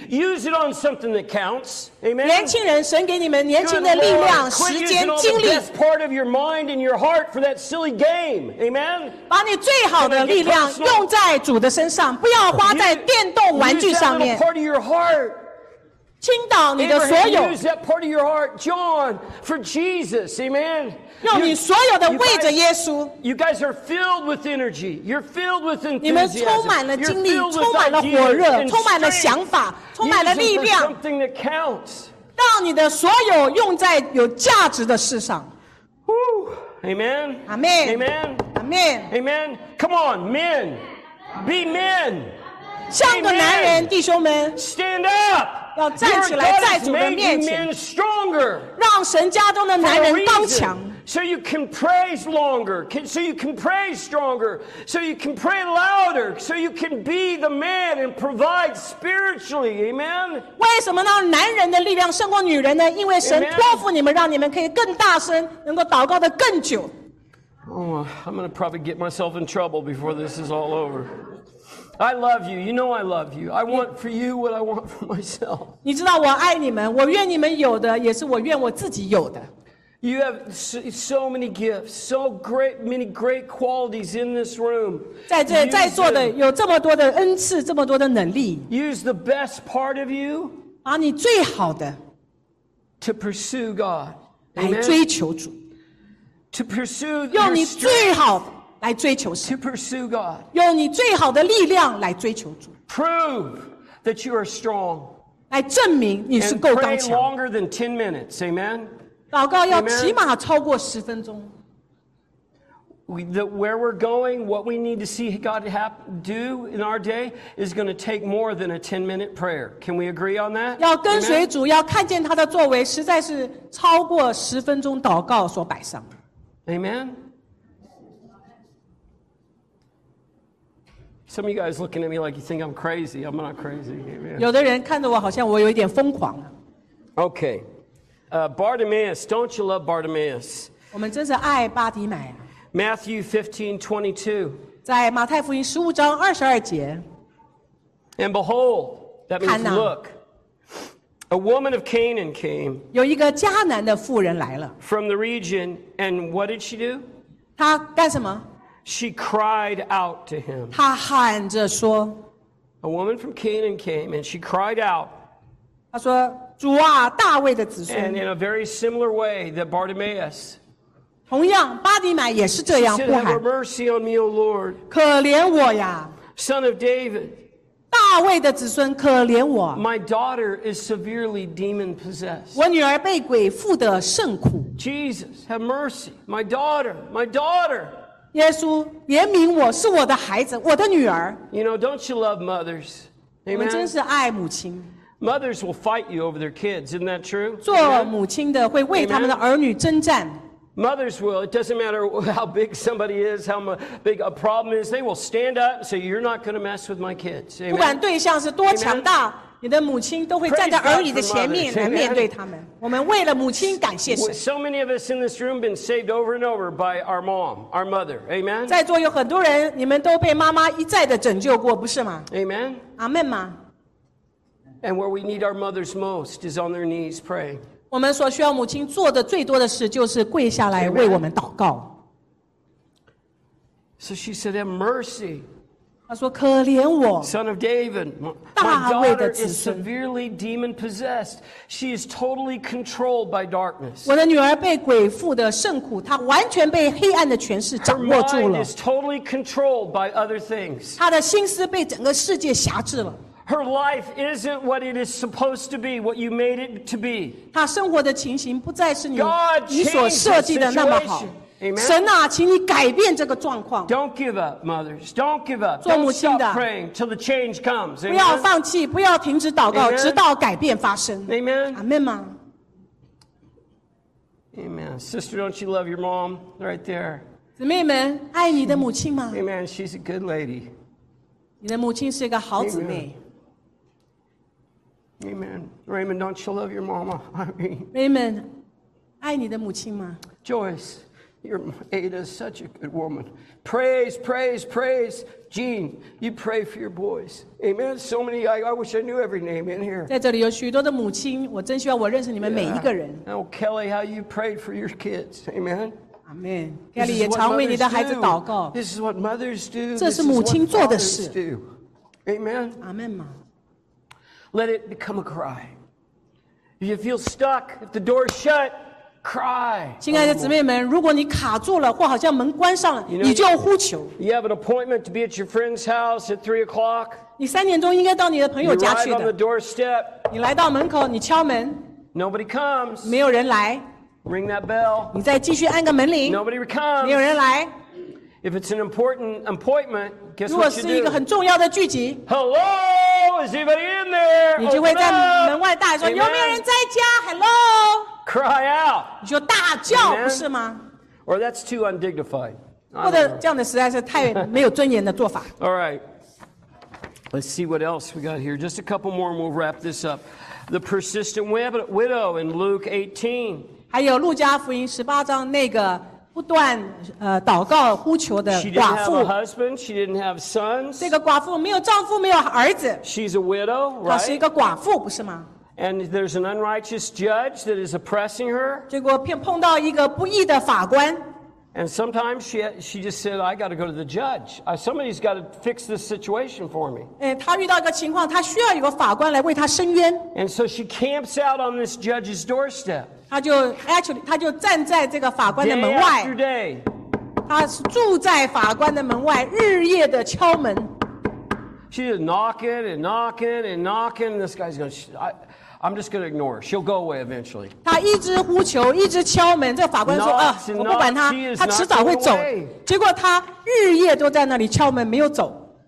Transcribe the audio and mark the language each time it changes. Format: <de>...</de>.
<en>Use it on something that counts. Amen.</en> <zh>年轻人，神给你们年轻的力量、时间、精力。</zh> <en>Quit using all the best part of your mind and your heart for that silly game. Amen.</en> <zh>把你最好的力量用在主的身上，不要花在电动玩具上面。</zh> <en>Use that part of your heart.</en> <zh>倾倒你的所有。</zh> <en>Use that part of your heart, John, for Jesus. Amen.</en> <zh>用你所有的为着耶稣。</zh> <en>You guys are filled with energy. You're filled with enthusiasm.</en> <zh>你们充满了精力，充满了火热，充满了想法，充满了力量。</zh> <en>Something that counts.</en> <zh>让你的所有用在有价值的事上。</zh> <en>Amen. Amen. Amen. Amen. Amen. Come on, men. Be men.</en> <zh>像个男人，弟兄们。</zh> <en>Stand up.</en> <zh>要站起来，在主的面前，让神家中的男人刚强。</zh> <en>So you can praise longer, so you can pray stronger, so you can pray louder, so you can be the man and provide spiritually, amen?</en> <zh>为什么让男人的力量胜过女人呢？因为神托付你们，让你们可以更大声，能够祷告的更久。</zh> <en>Oh, I'm going to probably get myself in trouble before this is all over. I love you. You know I love you. I want for you what I want for myself.</en> <zh>你知道我爱你们，我愿你们有的也是我愿我自己有的。</zh> <en>You have so many gifts, so great, many great qualities in this room.</en> <zh>在座的有这么多的恩赐，这么多的能力。</zh> <en>Use the best part of you.</en> <zh>把你最好的。</zh> <en>To pursue God.</en> <zh>来追求主。</zh> <en>To pursue.</en> <zh>用你最好的。来追求神</zh> <en>to pursue God.</en> <zh>用你最好的力量来追求主</zh> <en>prove that you are strong.</en> <zh>来证明你是够刚强</zh> <en>pray longer than 10 minutes, amen?</en> <zh>祷告要起码超过十分钟</zh> <en>Where we're going, what we need to see God do in our day is going to take more than a 10-minute prayer. Can we agree on that?</en> <zh>要跟随主要看见他的作为实在是超过十分钟祷告所摆上</zh> <en>Amen? Some of you guys looking at me like you think I'm crazy. I'm not crazy. Amen.</en> <zh>有的人看着我好像我有一点疯狂啊。</zh> <en>Okay. Bartimaeus, don't you love Bartimaeus?</en> <zh>我们真是爱巴底买啊。</zh> <en>Matthew 15:22.</en> <zh>在马太福音十五章二十二节。</zh> <en>And behold, that means look. A woman of Canaan came.</en> <zh>有一个迦南的妇人来了。</zh> <en>From the region, and what did she do?</en> <zh>她干什么？</zh> <en>She cried out to him.</en> <zh>她喊着说</zh> <en>A woman from Canaan came and she cried out.</en> <zh>她说主啊大卫的子孙</zh> <en>And in a very similar way that Bartimaeus.</en> <zh>同样巴底买也是这样呼喊</zh> <en>She said, Have mercy on me, O Lord.</en> <zh>可怜我呀</zh> <en>Son of David.</en> <zh>大卫的子孙可怜我</zh> <en>My daughter is severely demon possessed.</en> <zh>我女儿被鬼附得甚苦</zh> <en>Jesus, have mercy. My daughter.</en> <zh>耶稣怜悯我是我的孩子我的女儿</zh> <en>You know, don't you love mothers? Amen?</en> <zh>我们真是爱母亲</zh> <en>Mothers will fight you over their kids, isn't that true?</en> <zh>做母亲的会为他们的儿女征战。</zh> <en>Mothers will, it doesn't matter how big somebody is, how big a problem is, they will stand up and say, you're not going to mess with my kids. Amen.</en> <zh>不管对象是多强大，你的母亲都会站在儿女的前面来面对他们。我们为了母亲感谢神。</zh> <en>So many of us in this room have been saved over and over by our mom, our mother. Amen.</en> <zh>在座有很多人，你们都被妈妈一再的拯救过，不是吗？</zh> <en>Amen.</en> <zh>阿们吗？</zh> <en>And where we need our mothers most is on their knees praying.</en> <zh>我们所需要母亲做的最多的事就是跪下来为我们祷告。</zh> <en>So she said, have mercy.</en> <zh>她说可怜我。</zh> <en>Son of David, my daughter is severely demon possessed. She is totally controlled by darkness.</en> <zh>我的女儿被鬼附的甚苦，她完全被黑暗的权势掌握住了。</zh> <en>Her mind is totally controlled by other things.</en> <zh>她的心思被整个世界辖制了。</zh> <en>Her life isn't what it is supposed to be, what you made it to be.</en> <zh>她生活的情形不再是你所设计的那么好。神啊，请你改变这个状况。</zh> <en>Don't give up, mothers. Don't give up.</en> <zh>做母亲的。</zh> <en>Don't stop praying till the change comes.</en> <zh>不要放弃，不要停止祷告，直到改变发生。</zh> <en>Amen.</en> <zh>Amen 吗？</zh> <en>Amen. Sister, don't you love your mom right there?</en> <zh>姊妹们，爱你的母亲吗？</zh> <en>Amen. She's a good lady.</en> <zh>你的母亲是一个好姊妹。</zh> <en>Amen. Raymond, don't you love your mama? I mean,</en> <zh>Raymond, 爱你的母亲吗？</zh> <en>Joyce, your Ada is such a good woman. Praise, praise, praise. Jean, you pray for your boys. Amen. So many, I wish I knew every name in here.</en> <zh>在这里有许多的母亲，我真希望我认识你们每一个人。</zh> <en>Oh, Kelly, how you prayed for your kids. Amen.</en> <zh>Amen. Kelly 也常为你的孩子祷告。</zh> <en>This is what mothers do.</en> <zh>这是母亲做的事。</zh> <en>Amen.</en> <zh>Amen 吗？</zh> <en>Let it become a cry. If you feel stuck, if the door's shut, cry.</en> <zh>亲爱的姊妹们，如果你卡住了，或好像门关上了，你就呼求。</zh> <en>You have an appointment to be at your friend's house at 3 o'clock.</en> <zh>你3点钟应该到你的朋友家去的。</zh> <en>You arrive on the doorstep.</en> <zh>你来到门口，你敲门。</zh> <en>Nobody comes.</en> <zh>没有人来。</zh> <en>Ring that bell.</en> <zh>你再继续按个门铃。</zh> <en>Nobody comes.</en> <zh>没有人来。</zh> <en>If it's an important appointment, guess what you do?</en> <zh>如果是一个很重要的聚集。</zh> <en>Hello. Is anybody in there?</en> <zh>你就会在门外大喊说：“有没有人在家 ？”Hello!</zh> <en>Cry out!</en> <zh>你就大叫，不是吗</zh> <en>？Or that's too undignified.</en> <zh>或者这样的实在是太没有尊严的做法。</zh> <en>All right. Let's see what else we got here. Just a couple more, and we'll wrap this up. The persistent widow in Luke 18.</en> <zh>还有路加福音十八章那个不断祷告呼求的寡妇。</zh> <en>She didn't have a husband. She didn't have sons.</en> <zh>这个寡妇没有丈夫，没有儿子。</zh> <en>She's a widow, right?</en> <zh>她是一个寡妇，不是吗？</zh> <en>And there's an unrighteous judge that is oppressing her.</en> <zh>结果碰到一个不义的法官。</zh> <en>And sometimes she just said, "I got to go to the judge. Somebody's got to fix this situation for me."</en> <zh>她遇到一个情况，她需要一个法官来为她伸冤。</zh> <en>And so she camps out on this judge's doorstep.</en> <zh>她就站在这个法官的门外。</zh> <en>Day after day,</en> <zh>她住在法官的门外，日夜的敲门。</zh> <en>She's knocking and knocking and knocking. This guy's going, "I'm just going to ignore her. She'll go away eventually."</en> <zh>她一直呼求，一直敲门。这法官说：“啊，我不管她，她迟早会走。” 结果她日夜都在那里敲门，没有走。</zh>